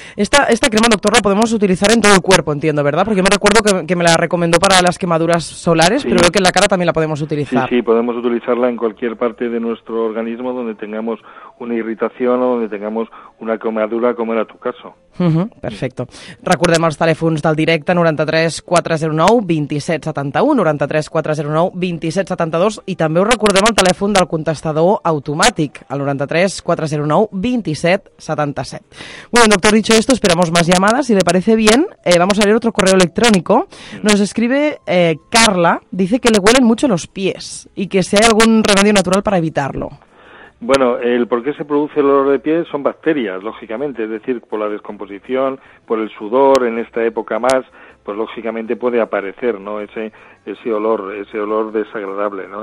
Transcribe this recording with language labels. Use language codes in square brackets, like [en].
[es] Esta crema, doctor, la podemos utilizar en todo el cuerpo, entiendo, ¿verdad? Porque yo me recuerdo que me la recomendó para las quemaduras solares, sí. Pero veo que en la cara también la podemos utilizar. Sí, podemos utilizarla en cualquier parte de nuestro organismo donde tengamos una irritación o donde tengamos una quemadura, como era tu caso. Perfecto. [ca] Recordem els telèfons del directe, 93-409-2771, 93-409-2772, i també us recordem el telèfon del contestador automàtic, el 93-409-2777. [es] Bueno, doctor, dicho esto, esperamos más llamadas. Si le parece bien, vamos a leer otro correo electrónico. Nos escribe Carla, dice que le huelen mucho los pies y que si hay algún remedio natural para evitarlo. Bueno, el por qué se produce el olor de pies son bacterias, lógicamente, es decir, por la descomposición, por el sudor, en esta época más, pues lógicamente puede aparecer, ¿no?, ese olor desagradable, ¿no?